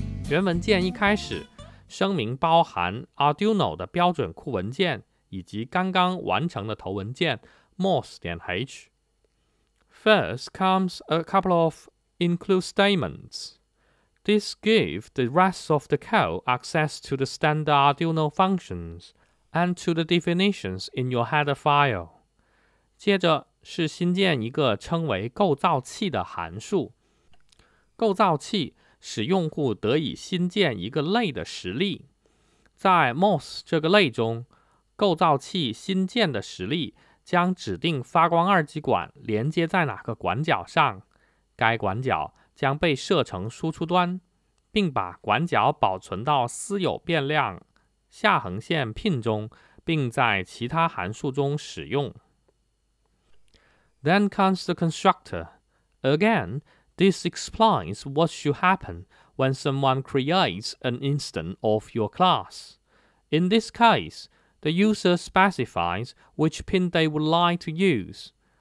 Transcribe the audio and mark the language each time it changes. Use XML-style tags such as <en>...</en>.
<zh>原文件一开始声明包含 Arduino 的标准库文件以及刚刚完成的头文件 mos.h.</zh> <en>First comes a couple of include statements. This gives the rest of the code access to the standard Arduino functions and to the definitions in your header file.</en> <zh>接着是新建一个称为构造器的函数。构造器使用户得以新建一个类的实例，在 MOS 这个类中，构造器新建的实例将指定发光二极管连接在哪个管角上，该管角将被设成输出端，并把管角保存到私有变量下横线 pin 中，并在其他函数中使用。</zh> <en>Then comes the constructor. AgainThis explains what should happen when someone creates an instance of your class. In this case, the user specifies which pin they would like to use.</en>